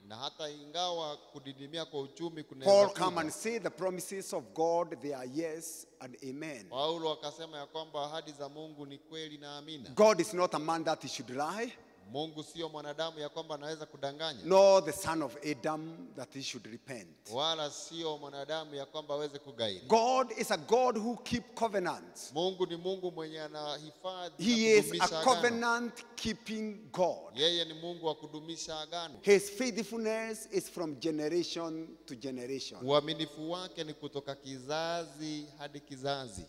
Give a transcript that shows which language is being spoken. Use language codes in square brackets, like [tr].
[sw] na hata ingawa kudidimia kwa uchumi kunaweza [en] Paul come and say the promises of God, they are yes and amen. [sw] Paulo akasema ya kwamba ahadi za Mungu ni kweli na amina. [en] God is not a man that he should lie. [sw] Mungu sio mwanadamu ya kwamba anaweza kudanganya. [en] No, the son of Adam that he should repent. [sw] Wala sio mwanadamu ya kwamba aweze kugairi. [en] God is a God who keep covenants. [sw] Mungu ni Mungu mwenye anahifadhi. [en] He is a covenant keeping God. [sw] Yeye ni Mungu wa kudumisha agano. [en] His faithfulness is from generation to generation. [sw] Uaminifu wake ni kutoka kizazi hadi kizazi.